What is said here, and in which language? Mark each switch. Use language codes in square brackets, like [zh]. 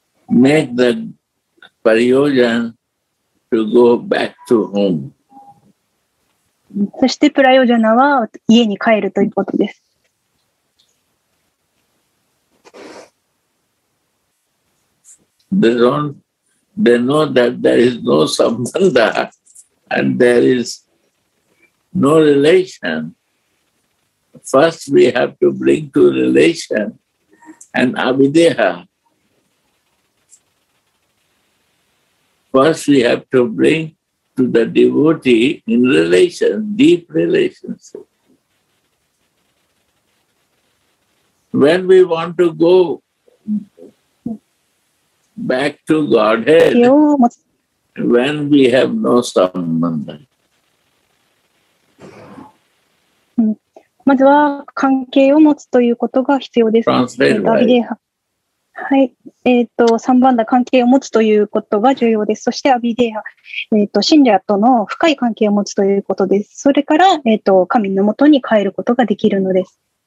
[en] Make the prayojan to go back to home. [ja] そしてプライオジャナは家に帰るということです。 [en] They know that there is no sambandha and there is no relation. First, we have to bring to relation an avideha. First, we have to bring to the devotee in relation, deep relationship. When we want to go back to Godhead, when we have no sambandha. [ja] まずは関係を持つということが必要です。アビデハ。はい。三番だ関係を持つということが重要です。そしてアビデハ。信者との深い関係を持つということです。それから、神のもとに帰ることができるのです。